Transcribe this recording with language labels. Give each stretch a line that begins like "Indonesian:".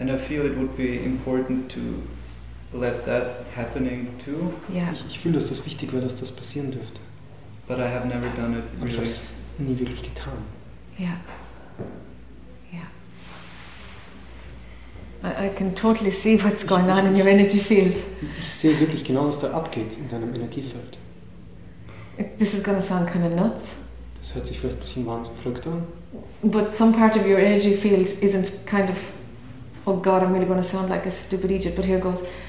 English: And I feel it would be important to let that happening too. Yeah.
German: Ich fühle, dass das wichtig wäre, dass das passieren dürfte.
English: But I have never done it
German: really. Aber ich habe es nie wirklich getan. Ja. Yeah.
English: I can totally see what's going on in your energy field.
German: Ich sehe wirklich genau, was da abgeht in deinem Energiefeld.
English: This is going to sound kind of nuts.
German: Das hört sich vielleicht ein bisschen wahnsinnig verrückt an.
English: But some part of your energy field isn't kind of, oh God, I'm really going to sound like a stupid idiot, but here goes.